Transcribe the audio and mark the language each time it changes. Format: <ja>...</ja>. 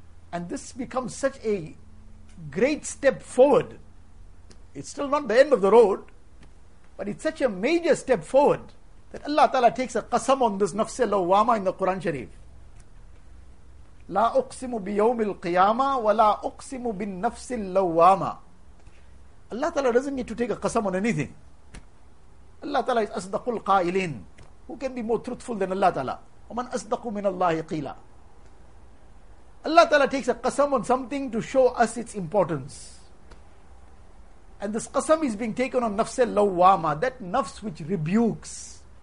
<en>And this becomes such a great step forward. It's still not the end of the road, but it's such a major step forward that Allah Ta'ala takes a qasam on this nafsul lawwama in the Quran Sharif.</en> <ar>لا أقسم بيوم القيامة ولا أقسم بالنفس اللوامة.</ar> <en>Allah Ta'ala doesn't need to take a qasam on anything. Allah Ta'ala is</en> <ar>أصدق القائلين.</ar> <en>Who can be more truthful than Allah Ta'ala?</en> <ar>ومن أصدق من الله قيلا.</ar> <en>Allah Ta'ala takes a qasam on something to show us its importance. And this qasam is being taken on نفس اللوامة, that nafs which rebukes.</en>